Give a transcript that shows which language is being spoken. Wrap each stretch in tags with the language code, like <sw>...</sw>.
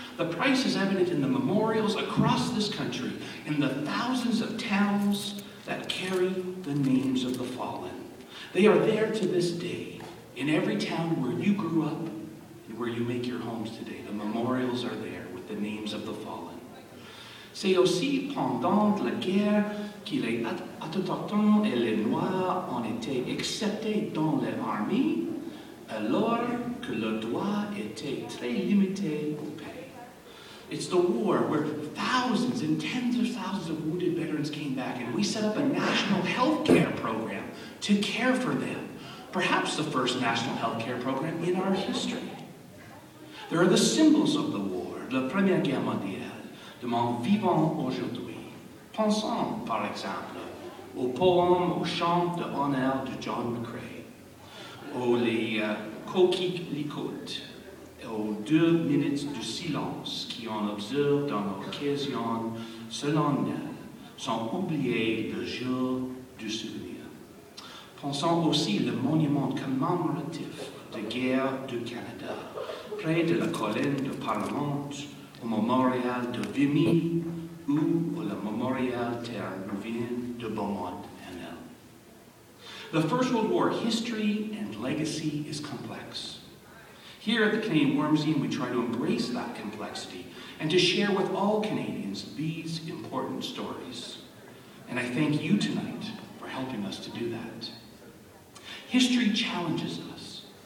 <en>The price is evident in the memorials across this country, in the thousands of towns that carry the names of the fallen. They are there to this day, in every town where you grew up and where you make your homes today. The memorials are there with the names of the fallen.</en> <fr>C'est aussi pendant la guerre que les Autochtones et les Noirs ont été acceptés dans l'armée, alors que le droit était très limité au pays.</fr> <en>It's the war where thousands and tens of thousands of wounded veterans came back, and we set up a national health care program to care for them, perhaps the first national health care program in our history. There are the symbols of the war,</en> <fr>la Première Guerre mondiale, de mon vivant aujourd'hui. Pensons, par exemple, au poème, au chant d'honneur de John McCrae, aux les coquelicots, aux 2 minutes de silence qui ont observé dans l'occasion solennelle, sans oublier le jour du souvenir. Pensons aussi le monument commémoratif de guerre du Canada, près de la colline du Parlement, au mémorial de Vimy, ou au la Mémorial Terre Nouvelle de Beaumont NL.</fr> <en>The First World War history and legacy is complex. Here at the Canadian War Museum, we try to embrace that complexity and to share with all Canadians these important stories. And I thank you tonight for helping us to do that. History challenges us.</en>